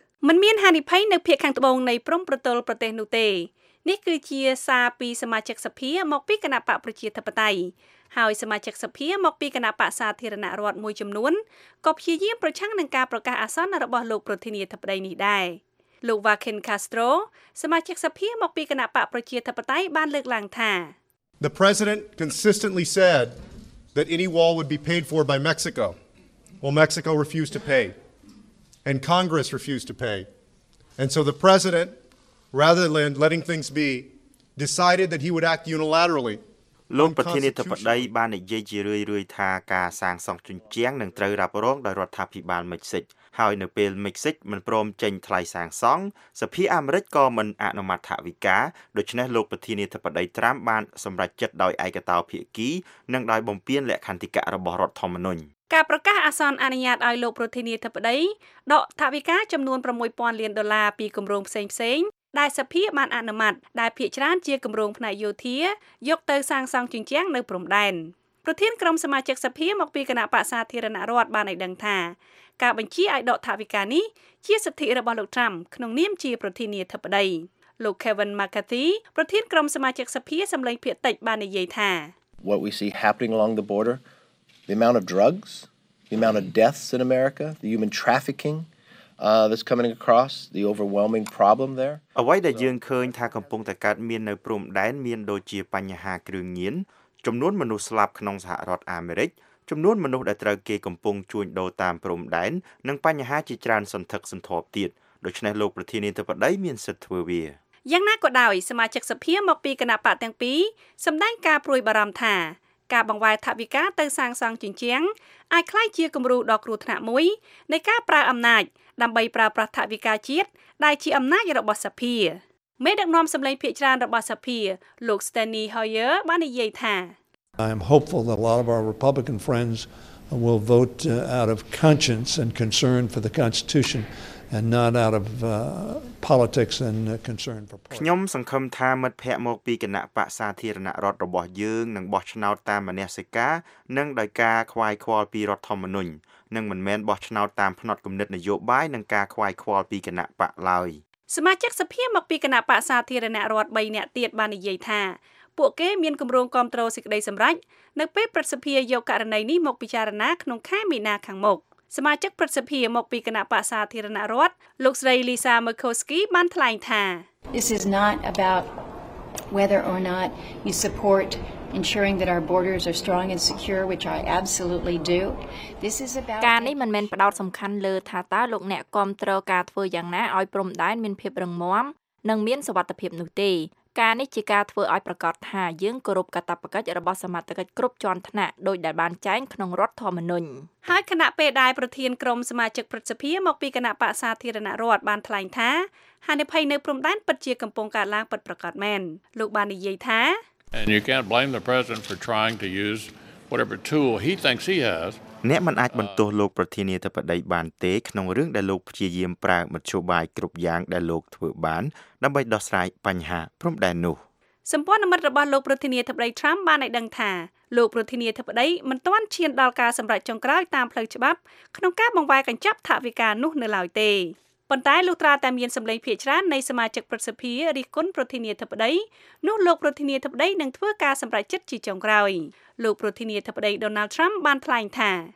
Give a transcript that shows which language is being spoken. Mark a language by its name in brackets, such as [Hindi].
[Khmer] មិនមានហានិភ័យនៅភាគខាងត្បូងនៃព្រំប្រទល់ប្រទេសនោះទេនេះគឺជាសារពីសមាជិកសភាមកពីគណៈបកប្រជាធិបតេយ្យ ហើយសមាជិកសភាមកពីគណៈបក្សសាធារណរដ្ឋមួយចំនួនក៏ព្យាយាមប្រឆាំងនឹងការប្រកាសអាសន្នរបស់លោកប្រធានាធិបតីនេះដែរលោក Vakin Castro សមាជិកសភាមកពីគណៈបក្សប្រជាធិបតេយ្យបានលើកឡើងថា [English] The president consistently said that any wall would be paid for by Mexico. Well, Mexico refused to pay. And Congress refused to pay. And so the president, rather than letting things be, decided that he would act unilaterally. [Khmer] លោកប្រធានាធិបតីបាននិយាយជារឿយៗថាការសាងសង់ជញ្ជាំងនឹងត្រូវរ៉ាប់រងដោយរដ្ឋាភិបាលមិចស៊ិចហើយនៅពេលមិចស៊ិចមិនព្រមចេញថ្លៃសាងសង់សភាអាមេរិកក៏មិនអនុម័តថវិកាដូច្នេះលោកប្រធានាធិបតីត្រាំបានសម្រេចចិត្តដោយឯកតោភាគីនិងដោយបំពេញលក្ខន្តិកៈរបស់រដ្ឋធម្មនុញ្ញ ការប្រកាសអាសន្នអនុញ្ញាតឲ្យលោកប្រធានាធិបតីដកថវិកាចំនួន 6,000 លានដុល្លារពីគម្រោងផ្សេងៗដែលសភាបានអនុម័តដែលភាគច្រើនជាគម្រោងផ្នែកយោធាយកទៅសាងសង់ជញ្ជាំងនៅព្រំដែនប្រធានក្រុមសមាជិកសភាមកពីគណៈបក្សសាធារណរដ្ឋបានឲ្យដឹងថាការបញ្ជាឲ្យដកថវិកានេះជាសិទ្ធិរបស់លោកត្រាំក្នុងនាមជាប្រធានាធិបតីលោក Kevin McCarthy ប្រធានក្រុមសមាជិកសភាសម្លេងភាគតិចបាននិយាយថា [English] What we see happening along the border the amount of drugs the amount of deaths in America the human traffickingthis coming across the overwhelming problem there [Khmer] អ្វីដែលយើងឃើញថាកំពុងតែកើតមាននៅព្រំដែនមានដូចជាបញ្ហាគ្រឿងញៀនចំនួនមនុស្សស្លាប់ក្នុងសហរដ្ឋអាមេរិកចំនួនមនុស្សដែលត្រូវគេកំពុងជួញដូរតាមព្រំដែននិងបញ្ហាជាច្រើនសន្ធឹកសន្ធាប់ទៀតដូច្នេះលោកប្រធានាធិបតីមានសិទ្ធិធ្វើវា យ៉ាងណាក៏ដោយសមាជិកសភាមកពីគណៈបកទាំងពីរសម្ដែងការព្រួយបារម្ភថាការបង្វែរថវិកាទៅសាងសង់ជញ្ជាំងអាចក្លាយជាគំរូដ៏គ្រោះថ្នាក់មួយនៃការប្រើអំណាចដើម្បីប្រើប្រាស់ថវិកាជាតិដែលជាអំណាចរបស់សភាមេដឹកនាំសម្លេងភាគច្រើនរបស់សភាលោក Stanley Hoyer បាននិយាយថា [English] I am hopeful that a lot of our Republican friends will vote out of conscience and concern for the Constitution and not out of politics and concern for [Khmer] ខ្ញុំសង្ឃឹមថាមិត្តភ័ក្តិមកពីគណៈបក្សសាធារណរដ្ឋរបស់យើងនឹងបោះឆ្នោតតាមមនសិការនិងដោយការខ្វាយខ្វល់ពីរដ្ឋធម្មនុញ្ញនឹងមិនមែនបោះឆ្នោតតាមផ្នត់គំនិតនយោបាយនឹងការខ្វាយខ្វល់ពីគណៈបកឡើយ សមាជិកសភាមកពីគណៈបកសាធារណរដ្ឋ3នាក់ទៀតបាននិយាយថាពួកគេមានគម្រោងគ្រប់គ្រងសេចក្តីសម្រេចនៅពេលប្រតិភិយយកករណីនេះមកពិចារណាក្នុងខែមីនាខាងមុខសមាជិកប្រតិភិយមកពីគណៈបកសាធារណរដ្ឋលោកស្រីលីសាមឺខូស្គីបានថ្លែងថា [English] This is not about whether or not you supportensuring that our borders are strong and secure which I absolutely do this is about [Khmer] ការនេះមិនមែនផ្ដោតសំខាន់លើថាតើលោកអ្នកគ្រប់គ្រងការធ្វើយ៉ាងណាឲ្យព្រំដែនមានភាពរឹងមាំនិងមានសវត្ថភាពនោះទេការនេះជាការធ្វើឲ្យប្រកាសថាយើងគោរពកាតព្វកិច្ចរបស់សមត្ថកិច្ចគ្រប់ជាន់ថ្នាក់ដោយដែលបានចែងក្នុងរដ្ឋធម្មនុញ្ញ ហើយគណៈពេលដែរប្រធានក្រុមសមាជិកប្រតិភិមកពីគណៈបក្សសាធារណរដ្ឋបានថ្លែងថាហានិភ័យនៅព្រំដែនពិតជាកំពុងកើតឡើងពិតប្រាកដមែនលោកបាននិយាយថា [English] And you can't blame the president for trying to use whatever tool he thinks he has. [Khmer] អ្នកមិនអាចបន្ទោសលោកប្រធានាធិបតីបានទេក្នុងរឿងដែលលោកព្យាយាមប្រើមធ្យោបាយគ្រប់យ៉ាងដែលលោកធ្វើបានដើម្បីដោះស្រាយបញ្ហាព្រំដែននោះ ។សម្ព័ន្ធមិត្តរបស់លោកប្រធានាធិបតីត្រាំបានឲ្យដឹងថាលោកប្រធានាធិបតីមិនទាន់ឈានដល់ការសម្រេចចុងក្រោយតាមផ្លូវច្បាប់ក្នុងការបង្វែរកញ្ចប់ថវិកានោះនៅឡើយទេ។ប៉ុន្តែលោកត្រាតែមានសម្លេងភាគច្រើននៃសមាជិកប្រតិភិរិះគន់ប្រធានាធិបតីនោះលោកប្រធានាធិបតីនឹងធ្វើការសម្រេចចិត្តជាចុងក្រោយលោកប្រធានាធិបតី Donald Trump បានថ្លែងថា